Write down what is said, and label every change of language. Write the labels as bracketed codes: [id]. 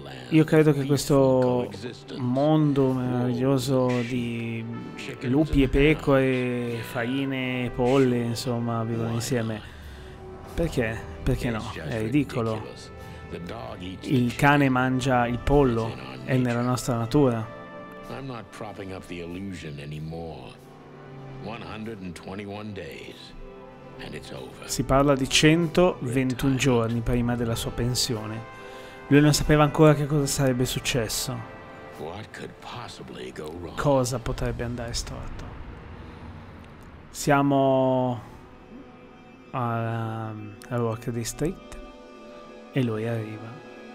[it] Io credo che questo mondo meraviglioso di lupi e pecore, faine e polle, insomma, vivono insieme. Perché? Perché no? È ridicolo. Il cane mangia il pollo, è nella nostra natura. [en] I'm not propping up the illusion anymore. 121 days and it's over. [it] Si parla di 121 giorni prima della sua pensione. Lui non sapeva ancora che cosa sarebbe successo. [en] What could possibly go wrong? [it] Cosa potrebbe andare storto? Siamo a Rock District e lui arriva.